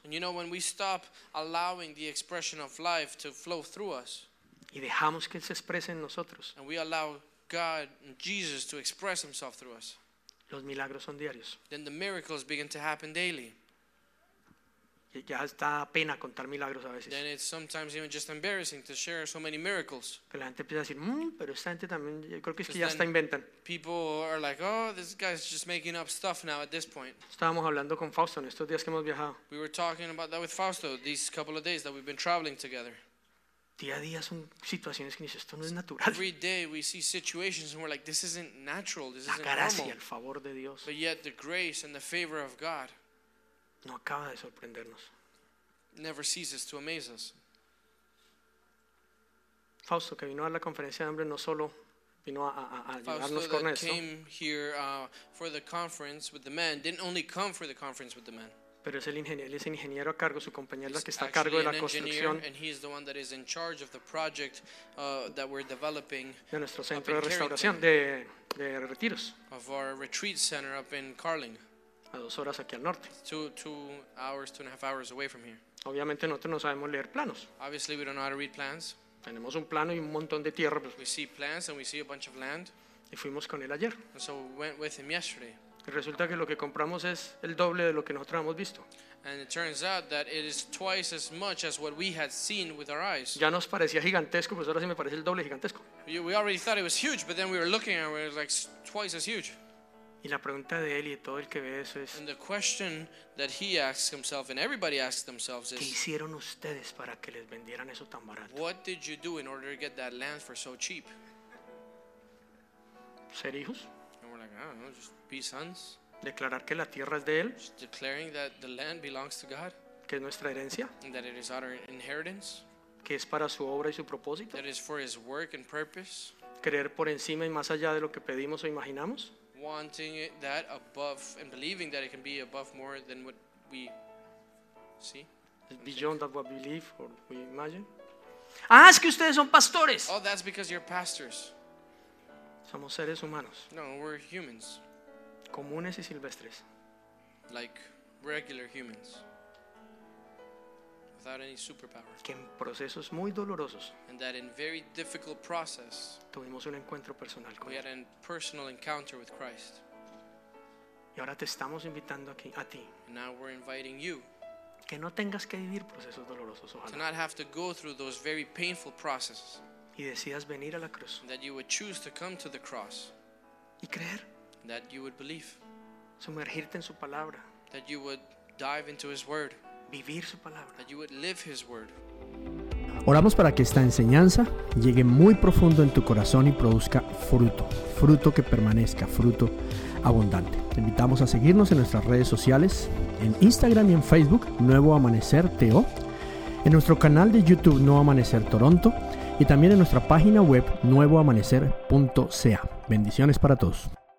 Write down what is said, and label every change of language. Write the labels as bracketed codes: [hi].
[en] and you know, when we stop allowing the expression of life to flow through us, [es] y dejamos que él se exprese en nosotros, [en] and we allow God and Jesus to express himself through us, [es] los milagros son diarios. [en] Then the miracles begin to happen daily. [es] Ya está pena contar milagros a veces. [en] Then it's sometimes even just embarrassing to share so many miracles. [es] Que la gente empieza a decir, pero esta gente también, yo creo que es que ya está inventan. [en] People are like, oh, this guy's just making up stuff now at this point. [es] Estábamos hablando con Fausto en estos días que hemos viajado. [en] We were talking about that with Fausto these couple of days that we've been traveling together. [es] Día a día son situaciones que dicen, esto no es natural. [en] Every day we see situations and we're like, this isn't natural, this isn't normal. [es] La gracia, el favor de Dios. [en] But yet the grace and the favor of God. [es] No acaba de sorprendernos. [en] Never ceases to amaze us. [es] Fausto, que vino a la conferencia de hambre, no solo vino a ayudarnos con eso. [en] Came here for the conference with the men. Didn't only come for the conference with the men. [es] Pero es el ingeniero a cargo, su compañía es la que está a cargo de la construcción. [en] And he is the one that is in charge of the project that we're developing. [es] De nuestro centro de restauración, de retiros. [en] Of our retreat center up in Carling. [es] A 2 horas aquí al norte. [en] Two hours, 2.5 hours away from here. [es] Obviamente nosotros no sabemos leer planos. [en] Obviously we don't know how to read plans. [es] Tenemos un plano y un montón de tierra. [en] We see plans and we see a bunch of land. [es] Y fuimos con él ayer. [en] And so we went with him yesterday. [es] Y resulta que lo que compramos es el doble de lo que nosotros hemos visto. [en] And it turns out that it is twice as much as what we had seen with our eyes. [es] Ya nos parecía gigantesco, pues ahora sí me parece el doble gigantesco. [en] We already thought it was huge, but then we were looking and we were like twice as huge. [es] Y la pregunta de él y de todo el que ve eso es, [en] and the question that he asks himself and everybody asks themselves is, [es] ¿qué hicieron ustedes para que les vendieran eso tan barato? [en] What did you do in order to get that land for so cheap? [es] ¿Ser hijos? [en] And we're like, I don't know, just be sons. [es] Declarar que la tierra es de él. [en] Just declaring that the land belongs to God. [es] Que es nuestra herencia. [en] And that it is our inheritance. [es] Que es para su obra y su propósito. [en] That is for his work and purpose. [es] Creer por encima y más allá de lo que pedimos o imaginamos. [en] Wanting it, that above and believing that it can be above more than what we see. It's beyond what we believe or we imagine. [es] Ah, es que ustedes son pastores. [en] Oh, that's because you're pastors. [es] Somos seres humanos. [en] No, we're humans. [es] Comunes y silvestres. [en] Like regular humans. Without any superpower. [es] Que en procesos muy dolorosos. [en] And that in very difficult process. [es] Tuvimos un encuentro personal con él. [en] We had a personal encounter with Christ. [es] Y ahora te estamos invitando aquí a ti. [en] And now we're inviting you. [es] Que no tengas que vivir procesos dolorosos, ojalá. [en] To not have to go through those very painful processes. [es] Y decidas venir a la cruz. [en] And that you would choose to come to the cross. [es] Y creer. [en] That you would believe. [es] Sumergirte en su palabra. [en] That you would dive into his word. [es] Vivir su palabra. [en] That you would live his word. [es] Oramos para que esta enseñanza llegue muy profundo en tu corazón y produzca fruto. Fruto que permanezca, fruto abundante. Te invitamos a seguirnos en nuestras redes sociales, en Instagram y en Facebook, Nuevo Amanecer TO. En nuestro canal de YouTube, Nuevo Amanecer Toronto. Y también en nuestra página web, nuevoamanecer.ca. Bendiciones para todos.